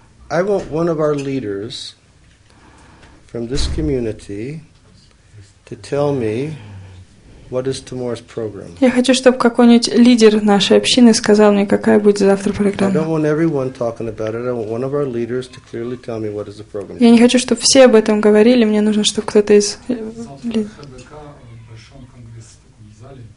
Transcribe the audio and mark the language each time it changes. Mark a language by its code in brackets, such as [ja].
[en] I want one of our leaders from this community to tell me what is tomorrow's program. [ru] Я хочу, чтобы какой-нибудь лидер нашей общины сказал мне, какая будет завтра программа. [en] I don't want everyone talking about it. I want one of our leaders to clearly tell me what is the program. [ru] Я не хочу, чтобы все об этом говорили. Мне нужно, чтобы кто-то из лидеров. ХБК в большом конгрессе в зале.